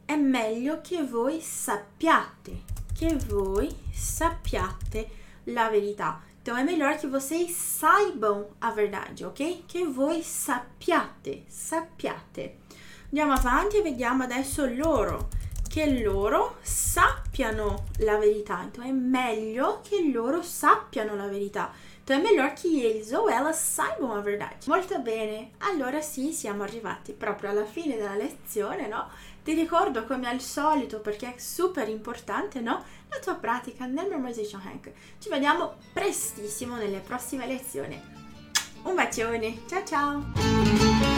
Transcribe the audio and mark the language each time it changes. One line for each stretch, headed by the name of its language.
Italian: È meglio che voi sappiate, che voi sappiate la verità.
Portuguese: Então, é melhor que vocês saibam a verdade, ok?
Italian: Que voi sappiate, sappiate. Andiamo avanti e vediamo adesso loro. Che loro sappiano la verità. Então, è meglio che loro sappiano la verità.
Portuguese: Então, è melhor que eles ou elas saibam a verdade.
Italian: Molto bene. Allora, sì, siamo arrivati proprio alla fine della lezione, no? Ti ricordo, come al solito, perché è super importante, no? La tua pratica nel Memorization Hack. Ci vediamo prestissimo nelle prossime lezioni. Un bacione. Ciao ciao!